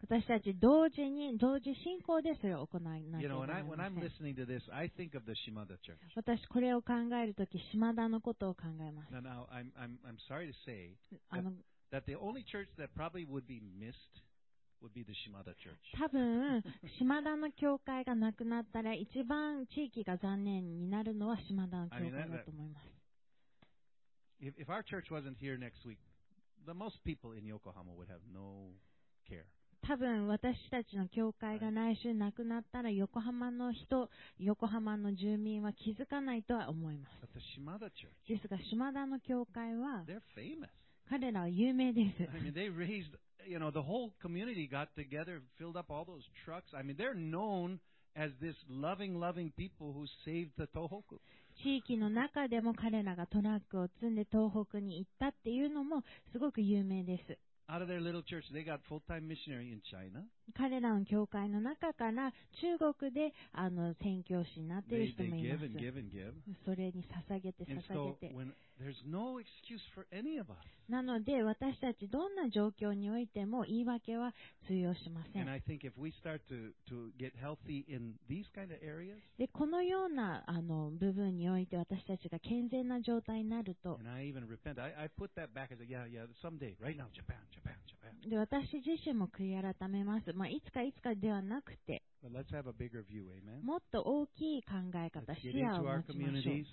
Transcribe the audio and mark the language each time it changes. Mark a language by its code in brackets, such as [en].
[ja] 私たち同時に同時進行でそれを行わなければなりません。私これを考えるとき島田のことを考えます。 [en] Now, I'm sorry to say that the only church that probably would be missed would be the Shimada Church. [ja] 多分島田の教会がなくなったら一番地域が残念になるのは島田の教会だと思います。 [en] If our church wasn't here next week, the most people in Yokohama would have no care. [ja] 多分私たちの教会が来週なくなったら横浜の人、横浜の住民は気づかないとは思います。 [en] But the Shimada Church, [ja] ですが島田の教会は [en] they're famous. [ja] 彼らは有名です。 [en] I mean, they raisedYou know, the whole community got together, filled up all those trucks. I mean, they're known as this loving, loving people who saved the Tohoku. [ja] 地域の中でも彼らがトラックを積んで東北に行ったっていうのもすごく有名です。 [en] Out of their little church, they got full-time missionary in China. [ja] 彼らの教会の中から中国で宣教師になっている人もいます。 [en] They give and give and give. [ja] それに捧げて捧げて。 [en] There's no excuse for any of us. [ja] なので私たちどんな状況においても言い訳は通用しません。 [en] And I think if we start to get healthy in these kind of areas, [ja] でこのような部分において私たちが健全な状態になると、 [en] And I even repent. I put that back as a, yeah, yeah, someday, right now, Japan, Japan, Japan. [ja] で私自身も悔い改めます。まあ、いつかいつかではなくて、 [en] But let's have a bigger view, amen. [ja] もっと大きい考え方、視野を持ちましょう。